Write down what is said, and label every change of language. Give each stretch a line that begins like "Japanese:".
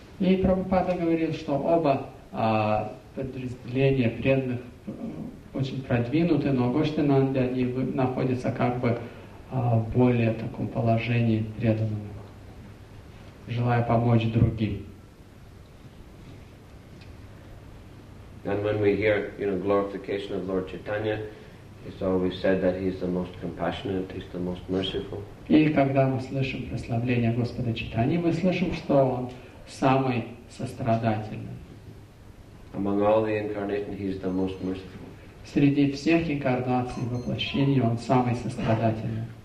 Russian: И Прабхупада говорил, что оба подразделения преданных очень продвинуты, но Гоштинанди, они находятся как бы в более таком положении преданного, желая помочь другим.
English: And when we hear, you know, glorification of Lord Chaitanya, it's always said that he's the most compassionate, he's the most merciful.
Russian: И когда мы слышим прославление Господа Чайтаньи, мы слышим, что он самый сострадательный.
English: Among all the incarnations, he's the most merciful.
Russian: Среди всех инкарнаций воплощений он самый сострадательный.